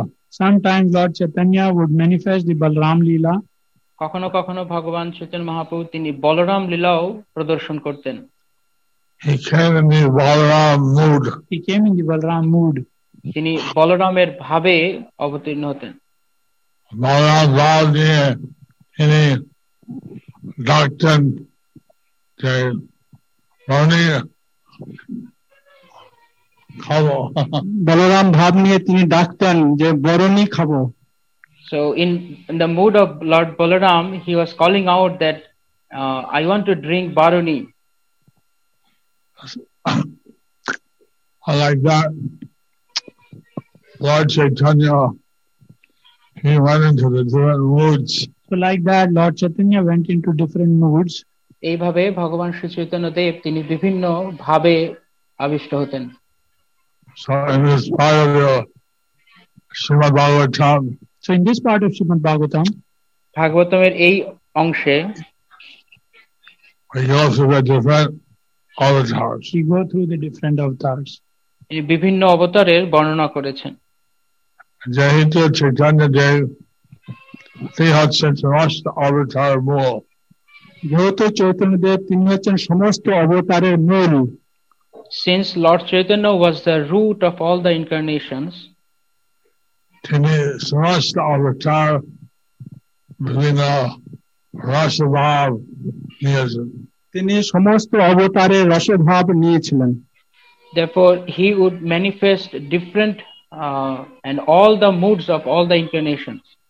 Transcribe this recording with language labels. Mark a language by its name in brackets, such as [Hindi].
[English] Sometimes Lord Chaitanya would manifest the Balram Leela. [Bangla] কখনো কখনো ভগবান চৈতন্য মহাপ্রভু তিনি বলরাম লীলাও প্রদর্শন করতেন। [English] He came in the Balram mood. He came in the Balram mood. [Bangla] তিনি বলরামের ভাবে অবতীর্ণ হতেন। বলরাম ভাব নিয়ে তিনি ডাকতেন যে রানী খাবো। বলরাম ভাব নিয়ে তিনি ডাকতেন যে বরণী খাবো। [English] So in the mood of Lord Balaram, he was calling out that I want to drink Baruni. Like that, Lord Chaitanya, he went into the different moods. So like that, Lord Chaitanya went into different moods. [Bangla] এইভাবে ভগবান শ্রী চৈতন্য দেব তিনি বিভিন্ন ভাবে আবিষ্ট হতেন। [English] So in this part of the Srimad Bhagavatam, So in this part of Srimad Bhagavatam, [Bangla] Bhagavatamer ei onshe, [English] we go through the different avatars. We go through the different avatars. [Bangla] তিনি বিভিন্ন অবতারের বর্ণনা করেছেন। যেহেতু চৈতন্য দেব তিনি হচ্ছেন সমস্ত অবতার মূল, যেহেতু চৈতন্য দেব তিনি হচ্ছেন সমস্ত অবতারের মূল, [English] since Lord Chaitanya was the root of all the incarnations, [Bangla] তিনি সমস্ত অবতার বিভিন্ন রসভাব নিয়েছেন। তিনি সমস্ত অবতারের রসভাব নিয়েছিলেন। [English] Therefore, he would manifest different and all the moods of all the incarnations.